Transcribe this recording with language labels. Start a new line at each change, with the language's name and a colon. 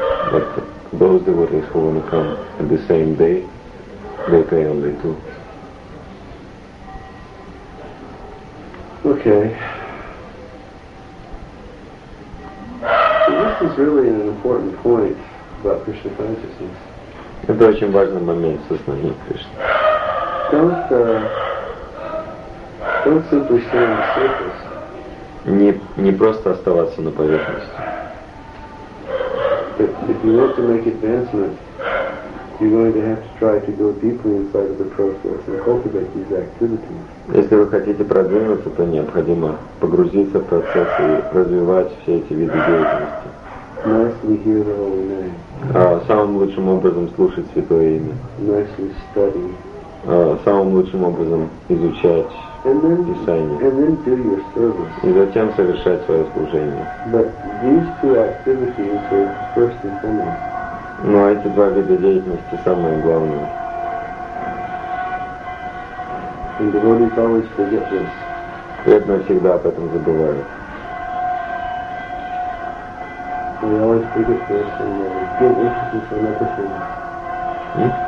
English: But both devotees who want to come at the same day, they pay only 2. Okay. So this is really an important point about Krishna consciousness.
Russian: Это очень важный момент сознания Кришны.
English: Don't simply stay on the surface.
Russian: Не просто оставаться на поверхности.
English: If you want to make advancement, you're going to have to try to go deeply inside of the process and cultivate these activities.
Russian: Если вы хотите продвинуться, то необходимо погрузиться в процесс и развивать все эти виды деятельности.
English: Nicely hear the holy name.
Russian: Самым лучшим образом слушать святое имя.
English: Nicely study.
Russian: Самым лучшим образом изучать Писание.
English: And then do your service.
Russian: И затем совершать свое служение.
English: But these two activities are first and foremost.
Russian: Но эти два вида деятельности самые главные.
English: And the devotees always forget this.
Russian: Преданные всегда об этом забывают.
English: They always forget this and get interested in other things.